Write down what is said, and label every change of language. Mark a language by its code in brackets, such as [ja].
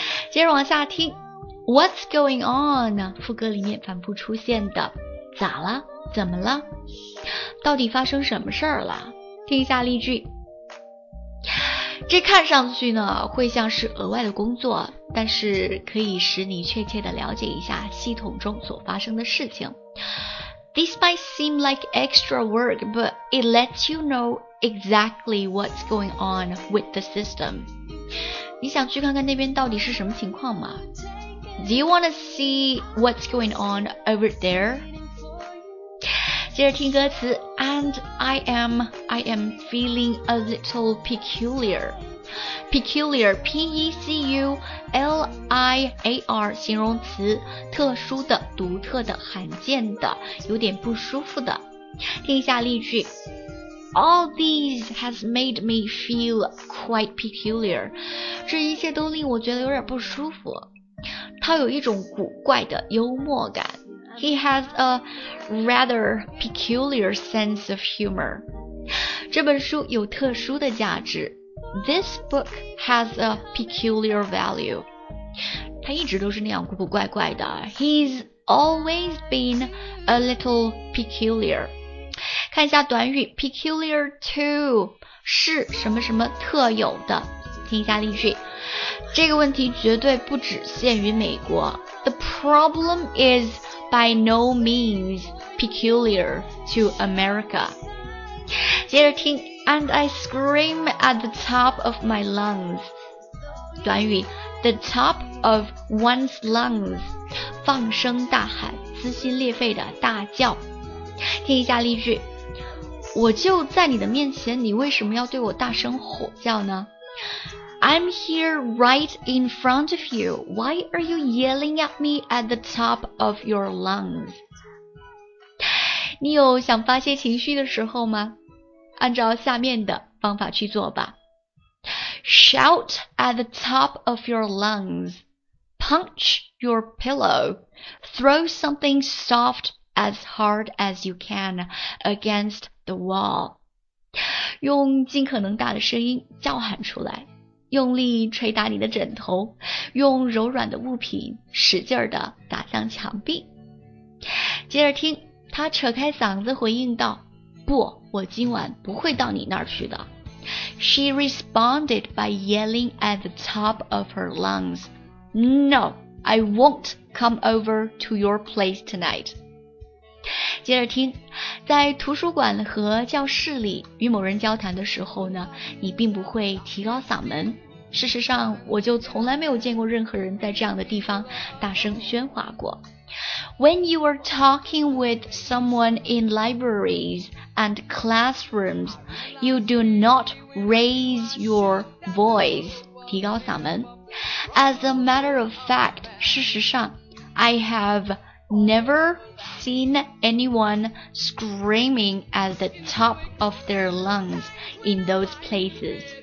[zh] 接着往下听 [en] What's going on， [zh] 副歌里面反复出现的咋了，怎么了，到底发生什么事儿了。听一下例句，这看上去呢会像是额外的工作，但是可以使你确切地了解一下系统中所发生的事情。 [en] This might seem like extra work, but it lets you know exactly what's going on with the system. [zh] 你想去看看那边到底是什么情况吗？ [en] Do you wanna see what's going on over there? [zh] 接着听歌词， [en] And I am feeling a little peculiar. [zh] Peculiar, P-E-C-U-L-I-A-R, 形容词，特殊的、独特的、罕见的，有点不舒服的。听一下例句， [en] All these has made me feel quite peculiar. [zh] 这一切都令我觉得有点不舒服。他有一种古怪的幽默感。 [en] He has a rather peculiar sense of humor. [zh] 这本书有特殊的价值。 [en] This book has a peculiar value. [zh] 他一直都是那样古古怪怪的。 [en] He's always been a little peculiar. [zh] 看一下短语 peculiar to， 是什么什么特有的。听一下例句，这个问题绝对不只限于美国。 [en] The problem is by no means peculiar to America. [zh] 接着听。 [en] And I scream at the top of my lungs. 短语 The top of one's lungs. [zh] 放声大喊，撕心裂肺的大叫。听一下例句，我就在你的面前，你为什么要对我大声吼叫呢？ [en] I'm here right in front of you. Why are you yelling at me at the top of your lungs? [zh] 你有想发泄情绪的时候吗？按照下面的方法去做吧。 [en] Shout at the top of your lungs. Punch your pillow. Throw something soft as hard as you can against the wall. [zh] 用尽可能大的声音叫喊出来，用力捶打你的枕头，用柔软的物品使劲儿地打向墙壁。接着听，他扯开嗓子回应道，不，我今晚不会到你那儿去的。 [en] She responded by yelling at the top of her lungs, No, I won't come over to your place tonight. [zh] 接着听，在图书馆和教室里与某人交谈的时候呢，你并不会提高嗓门。事实上，我就从来没有见过任何人在这样的地方大声喧哗过。 [en] When you are talking with someone in libraries and classrooms, you do not raise your voice. [zh] 提高嗓门。 [en] As a matter of fact, [zh] 事实上 [en] I have never seen anyone screaming at the top of their lungs in those places.